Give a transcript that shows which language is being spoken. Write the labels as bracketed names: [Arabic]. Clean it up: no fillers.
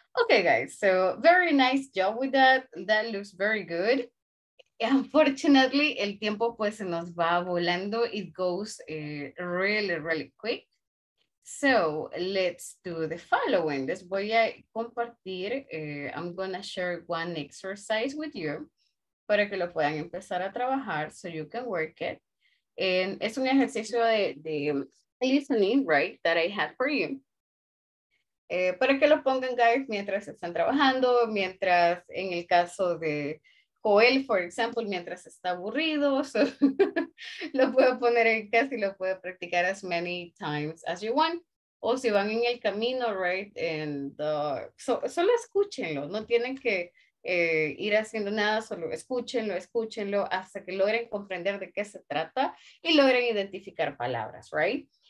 [English] Okay, guys, so very nice job with that. That looks very good. [Spanish] Unfortunately, el tiempo pues se nos va volando. [English] It goes really, really quick. So let's do the following. [Spanish] Les voy a compartir. [English] I'm gonna share one exercise with you [Spanish] para que lo puedan empezar a trabajar [English] so you can work it. And [Spanish] es un ejercicio de [English] listening, right, that I had for you. [Spanish] Para que lo pongan, guys, mientras están trabajando, mientras, en el caso de Joel, [English] for example, [Spanish] mientras está aburrido, so, lo puedo poner en casa y lo puedo practicar [English] as many times as you want. [Spanish] O si van en el camino, right, and solo escúchenlo, no tienen que ir haciendo nada, solo escúchenlo hasta que logren comprender de qué se trata y logren identificar palabras, right?